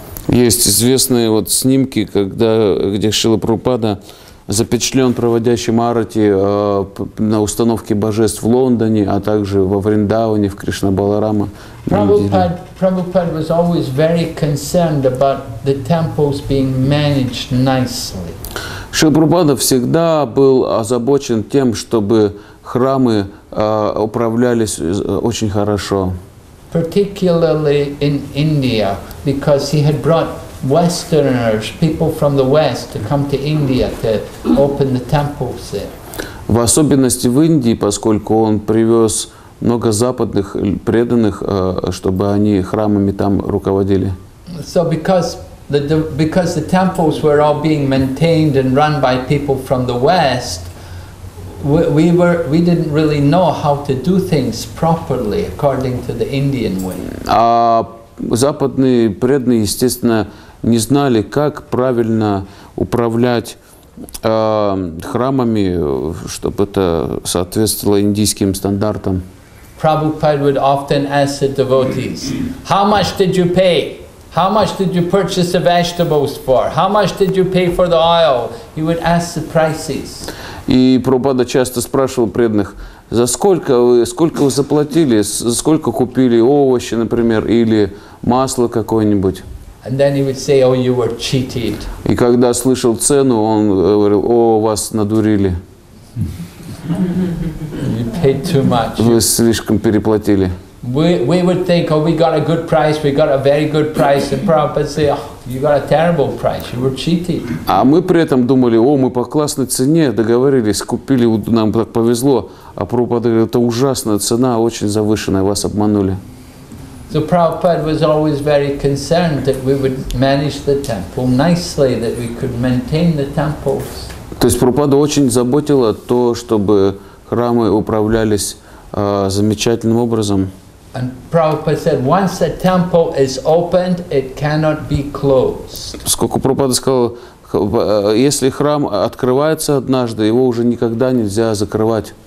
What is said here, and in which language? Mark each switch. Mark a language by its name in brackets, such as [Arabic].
[Russian] Есть известные вот снимки, когда, где Шрила Прабхупада запечатлен проводящим арати на установке божеств в Лондоне, а также во Вриндаване, в Кришна Баларама. [English] Prabhupada was always very concerned about the temples being managed nicely. [Russian] Шрила Прабхупада всегда был озабочен тем, чтобы храмы управлялись очень хорошо. [English] Particularly in India, because he had brought Westerners, people from the West, to come to India to open the temples there. [Russian] В особенности в Индии, поскольку он привез много западных преданных, чтобы они храмами там руководили. [English] So because the temples were all being maintained and run by people from the West. We didn't really know how to do things properly according to the Indian way. [Russian] А западные преданные, естественно, не знали, как правильно управлять храмами, чтобы это соответствовало индийским стандартам. [English] Prabhupada would often ask the devotees, "How much did you pay? How much did you purchase the vegetables for? How much did you pay for the oil?" He would ask the prices. [Russian] И Прабхупада часто спрашивал преданных, за сколько вы заплатили, за сколько купили овощи, например, или масло какое-нибудь. И когда слышал цену, он говорил, о, вас надурили. [English] You paid too much. [Russian] Вы слишком переплатили. [English] we would think, oh, we got a good price, we got a very good price, and Prabhupada say, oh, you got a terrible price, you were cheating. [Russian] А мы при этом думали, о, мы по классной цене договорились, купили, нам так повезло, а Прабхупада говорит, это ужасная цена, очень завышенная, вас обманули. [English] So Prabhupada was always very concerned that we would manage the temple nicely, that we could maintain the temples. [Russian] То есть Прабхупада очень заботила то, чтобы храмы управлялись замечательным образом. [English] And Prabhupada said, once a temple is opened, it cannot be closed. [Russian] Поскольку Прабхупада сказал, если храм открывается однажды, его уже никогда нельзя закрывать.